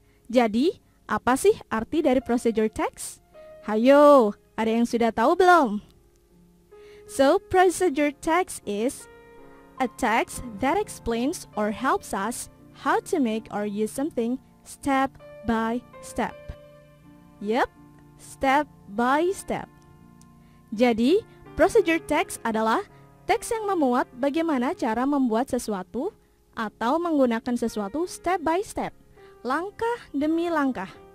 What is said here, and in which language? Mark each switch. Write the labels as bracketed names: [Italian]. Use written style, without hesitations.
[Indonesian] Jadi, apa sih arti dari procedure text? Hayo, ada yang sudah tahu belum? [English] So, procedure text is a text that explains or helps us how to make or use something step by step. Yep, step by step. [Indonesian] Jadi, procedure text adalah teks yang memuat bagaimana cara membuat sesuatu atau menggunakan sesuatu [English] step by step, [Indonesian] langkah demi langkah.